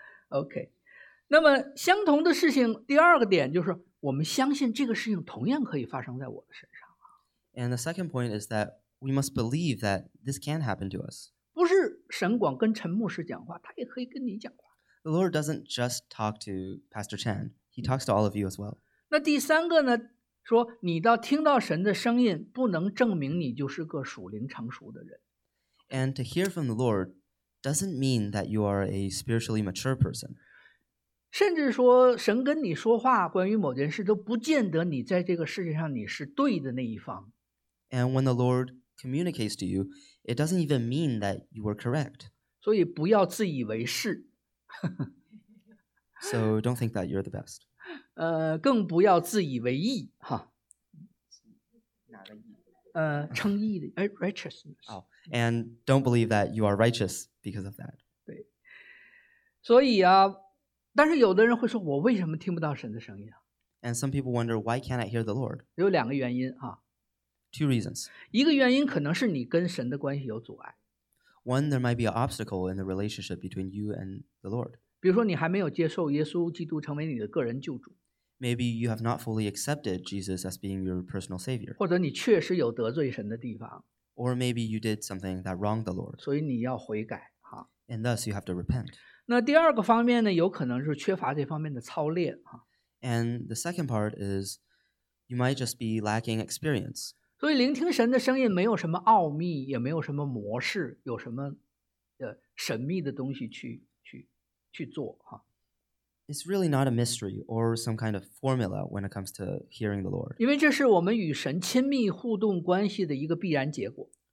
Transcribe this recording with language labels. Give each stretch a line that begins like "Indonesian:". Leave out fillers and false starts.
Chinese: OK， 那么相同的事情，第二个点就是我们相信这个事情同样可以发生在我的身上。
English: And the second point is that we must believe that this can happen to us.
Chinese: 不是神光跟陈牧师讲话，他也可以跟你讲话。
English: The Lord doesn't just talk to Pastor Chen; He talks to all of you as well.
Chinese: 那第三个呢？说你到听到神的声音，不能证明你就是个属灵成熟的人。
English: And to hear from the Lord. Doesn't mean that you are a spiritually mature person.
Chinese: 甚至说神跟你说话关于某件事都不见得你在这个世界上你是对的那一方。
English: And when the Lord communicates to you, it doesn't even mean that you are correct.
Chinese: 所以不要自以为是。
English: So don't think that you're the best.
Chinese: 更不要自以为义哈。哪个义？称义的righteousness。 Oh.
English: And don't believe that you are righteous because of that.
Chinese: 对，所以啊，但是有的人会说，我为什么听不到神的声音啊？
English: And some people wonder why can't I hear the Lord?
Chinese: 有两个原因啊。
English: Two reasons.
Chinese: 一个原因可能是你跟神的关系有阻碍。
English: One, there might be an obstacle in the relationship between you and the Lord.
Chinese: 比如说，你还没有接受耶稣基督成为你的个人救主。
English: Maybe you have not fully accepted Jesus as being your personal savior.
Chinese: 或者你确实有得罪神的地方。
English: Or maybe you did something that wronged the Lord.
Chinese: 所以你要悔改。
English: And thus you have to repent.
Chinese: 那第二个方面呢，有可能是缺乏这方面的操练。
English: And the second part is, you might just be lacking experience.
Chinese: 所以聆听神的声音没有什么奥秘，也没有什么模式，有什么神秘的东西去做。
English: It's really not a mystery or some kind of formula when it comes to hearing the Lord.
Chinese: 因为这是我们与神亲密互动关系的一个必然结果。